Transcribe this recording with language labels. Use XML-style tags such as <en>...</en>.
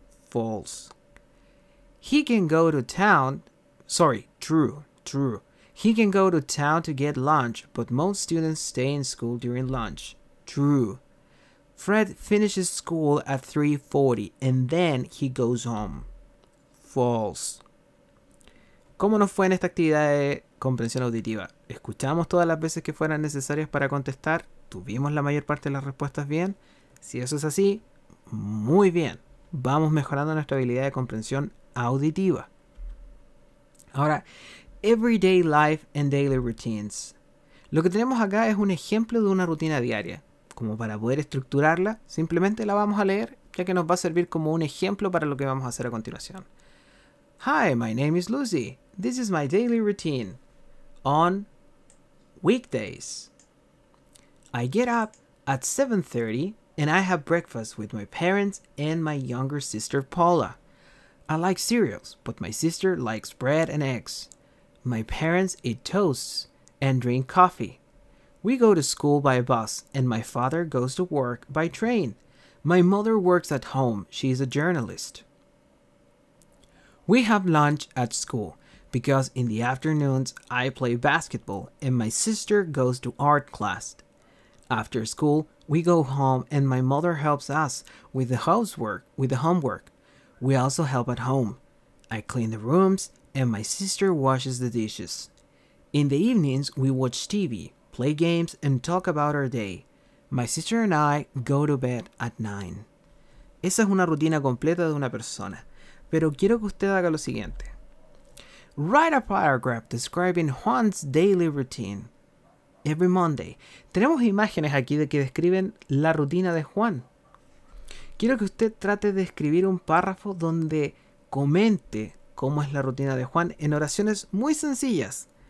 <en>False. He can go to town. Sorry, true. True. He can go to town to get lunch, but most students stay in school during lunch. True. Fred finishes school at 3:40 and then he goes home. False.</en> <es>¿Cómo nos fue en esta actividad de comprensión auditiva? ¿Escuchamos todas las veces que fueran necesarias para contestar? ¿Tuvimos la mayor parte de las respuestas bien? Si eso es así, muy bien. Vamos mejorando nuestra habilidad de comprensión auditiva. Ahora,</es> <en>everyday life and daily routines.</en> <es>Lo que tenemos acá es un ejemplo de una rutina diaria. Como para poder estructurarla, simplemente la vamos a leer, ya que nos va a servir como un ejemplo para lo que vamos a hacer a continuación.</es> <en>Hi, my name is Lucy. This is my daily routine. On weekdays, I get up at 7:30 and I have breakfast with my parents and my younger sister, Paula. I like cereals, but my sister likes bread and eggs. My parents eat toasts and drink coffee. We go to school by bus, and my father goes to work by train. My mother works at home. She is a journalist. We have lunch at school, because in the afternoons I play basketball, and my sister goes to art class. After school, we go home, and my mother helps us with the housework, with the homework. We also help at home. I clean the rooms, and my sister washes the dishes. In the evenings, we watch TV, play games, and talk about our day. My sister and I go to bed at 9.</en> <es>Esa es una rutina completa de una persona. Pero quiero que usted haga lo siguiente.</es> <en>Write a paragraph describing Juan's daily routine. Every Monday.</en> <es>Tenemos imágenes aquí de que describen la rutina de Juan. Quiero que usted trate de escribir un párrafo donde comente cómo es la rutina de Juan en oraciones muy sencillas.</es>